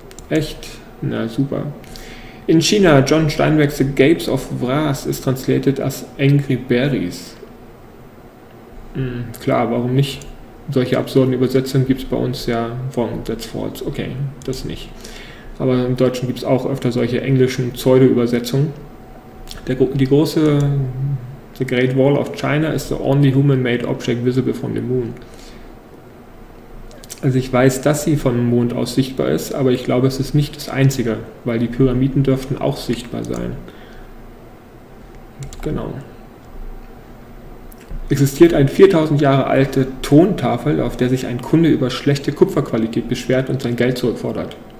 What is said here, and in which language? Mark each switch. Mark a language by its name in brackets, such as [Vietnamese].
[German] Echt? Na super. [English] In China, John Steinbeck's The Gapes of Wrath ist translated as Angry Berries. [German] Klar, warum nicht? Solche absurden Übersetzungen gibt es bei uns ja. [English] Wrong, that's false. [German] Okay, das nicht. Aber im Deutschen gibt es auch öfter solche englischen Pseudo-Übersetzungen. [English] The Great Wall of China is the only human-made object visible from the moon. [German] Also ich weiß, dass sie vom Mond aus sichtbar ist, aber ich glaube, es ist nicht das Einzige, weil die Pyramiden dürften auch sichtbar sein. Genau. Existiert eine 4000 Jahre alte Tontafel, auf der sich ein Kunde über schlechte Kupferqualität beschwert und sein Geld zurückfordert.